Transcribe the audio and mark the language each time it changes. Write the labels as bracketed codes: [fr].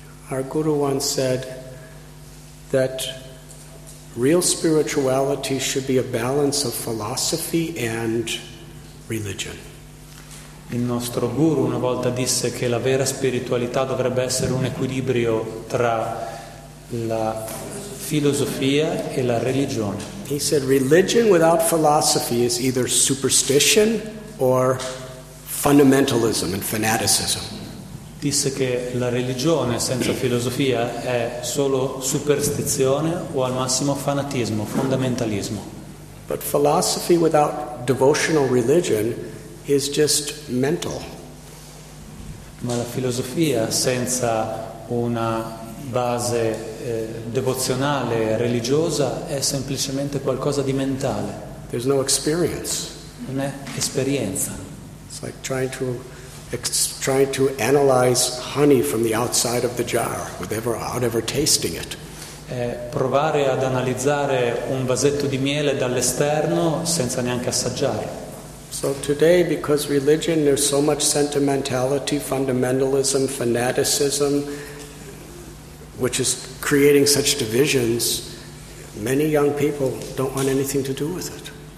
[en] Our guru once said that real spirituality should be a balance of philosophy and religion. [it] Il nostro guru una volta disse che la vera spiritualità dovrebbe essere un equilibrio tra la filosofia e la religione. [en] He said religion without philosophy is either superstition or fundamentalism and fanaticism. [it] Disse che la religione senza filosofia è solo superstizione o al massimo fanatismo, fondamentalismo. [en] But philosophy without devotional religion is just mental. [it] Ma la filosofia senza una base devozionale religiosa è semplicemente qualcosa di mentale. [en] There's no experience. [it] Non è esperienza. [en] It's like trying to analyze honey from the outside of the jar without ever tasting it. [it] È provare ad analizzare un vasetto di miele dall'esterno senza neanche assaggiarlo. [en] So today, because religion, there's so much sentimentality, fundamentalism, fanaticism, which is creating such divisions, many young people don't want anything to do with it.